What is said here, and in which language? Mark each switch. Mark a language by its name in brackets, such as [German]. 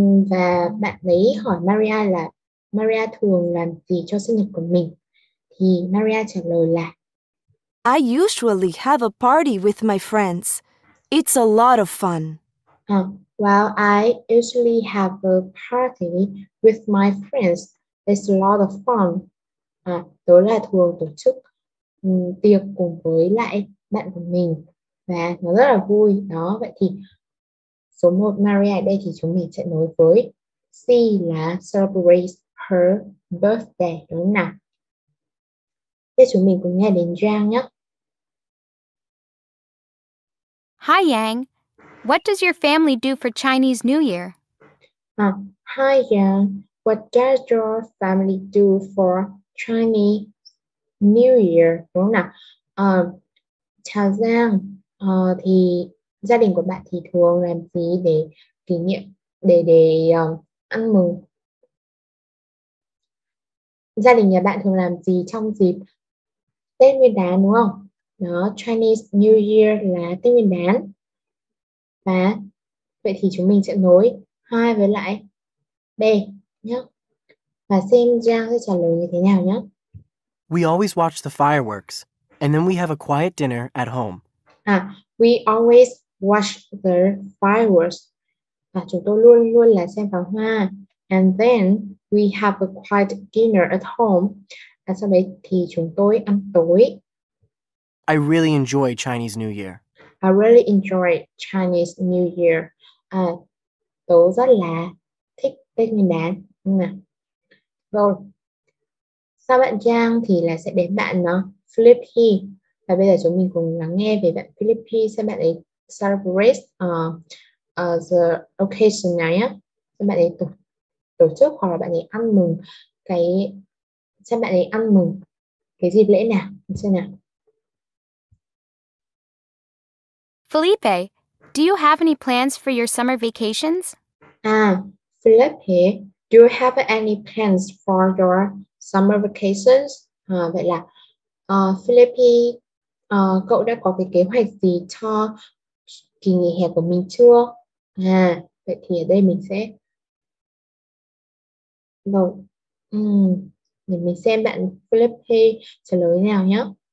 [Vietnamese] Và bạn ấy hỏi Maria là Maria thường làm gì cho sinh nhật của mình? Thì Maria trả lời là [English] I usually have a party with my friends. It's a lot of fun. Well, I usually have a party with my friends. It's a lot of fun. [Vietnamese] Tớ là thường tổ chức tiệc cùng với lại bạn của mình. Và nó rất là vui. Đó, vậy thì số 1 Maria đây thì chúng mình sẽ nối với C là [English] celebrate her birthday, [Vietnamese] đúng không nào? Thế chúng mình cùng nghe đến Giang nhé. [English] Hi Yang, what does your family do for Chinese New Year? Hi Yang, what does your family do for Chinese New Year? [Vietnamese] Đúng không nào? Chào Giang, thì gia đình của bạn thì thường làm gì để kỷ niệm, để ăn mừng? Gia đình nhà bạn thường làm gì trong dịp Tết Nguyên Đán đúng không? Đó, Chinese New Year là Tết Nguyên Đán. Và vậy thì chúng mình sẽ nối hai với lại B nhé. Và xem Giang sẽ trả lời như thế nào nhé. [English] We always watch the fireworks, and then we have a quiet dinner at home. À, we always watch the fireworks. [Vietnamese] Và chúng tôi luôn luôn là xem pháo hoa. [English] And then we have a quiet dinner at home. [Vietnamese] Và sau đấy thì chúng tôi ăn tối. [English] I really enjoy Chinese New Year. I really enjoy Chinese New Year. [Vietnamese] À, tôi rất là thích Tết Nguyên Đán. Rồi. Sau bạn Giang thì là sẽ đến bạn nó, Philippines. Và bây giờ chúng mình cùng lắng nghe về bạn Philippines, xem bạn ấy [English] celebrate the occasion [Vietnamese] này á, xem bạn ấy tổ chức hoặc là bạn ấy ăn mừng cái, xem bạn ấy ăn mừng cái dịp lễ nào, xem nào. [English] Felipe, do you have any plans for your summer vacations? À, Philippe, do you have any plans for your summer vacations? [Vietnamese] Vậy là Philippe, cậu đã có cái kế hoạch gì cho kỳ nghỉ hè của mình chưa? À, vậy thì ở đây mình sẽ đâu, để mình xem bạn Philippe trả lời thế nào nhé.